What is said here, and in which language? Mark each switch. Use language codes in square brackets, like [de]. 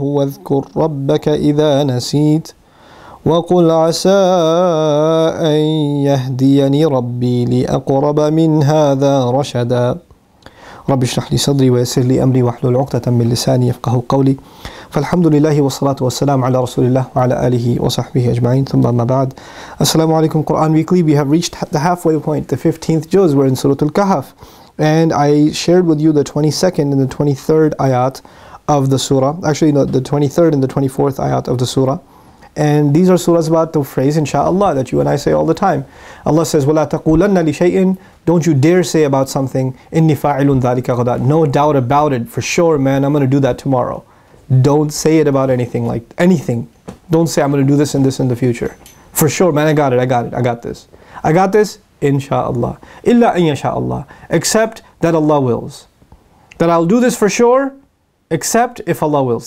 [ar] واذكر ربك إذا نسيت وقل عسى أن يهديني ربي لأقرب من هذا رشدا. رب اشرح لي صدري ويسر لي أمري واحلل عقدة من لساني يفقه قولي. فالحمد لله والصلاة والسلام على رسول الله وعلى آله وصحبه أجمعين. ثم ما بعد. السلام عليكم. [en] قرآن weekly. We have reached the halfway point, the 15th juz. We're in Surah Al-Kahf. And I shared with you the 22nd and the 23rd ayat of the surah. Actually, no, the 23rd and the 24th ayat of the surah. And these are surahs about the phrase inshallah that you and I say all the time. Allah says, [ar] وَلَا تَقُولَنَّ لِشَيْءٍ. [en] Don't you dare say about something, [ar] إِنِّي فَاعِلٌ ذَلِكَ غَدًا. [en] No doubt about it. For sure, man, I'm going to do that tomorrow. Don't say it about anything, like anything. Don't say, I'm going to do this and this in the future. For sure, man, I got this. Inshallah. [ar] Illa an yasha Allah. [en] Except that Allah wills. That I'll do this for sure, except if Allah wills.